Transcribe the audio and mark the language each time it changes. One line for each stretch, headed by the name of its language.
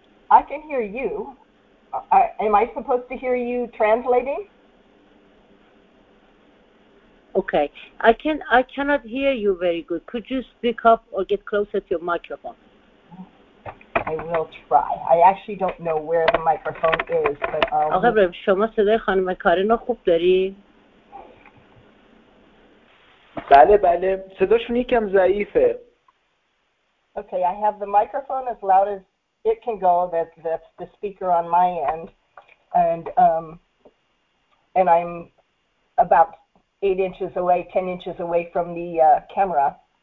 English: I can hear you. Am I supposed to hear you translating? Okay. I cannot hear you very good. Could you speak up or get closer to your microphone? I will try. I actually don't know where the microphone is, but
Persian: آقای برم، شما صدای خانم کارن رو خوب داری؟ بله بله، صداشون یکم ضعیفه.
English: Okay, I have the microphone as loud as it can go. That's the speaker on my end, and I'm about 8 inches away, 10 inches away from the camera.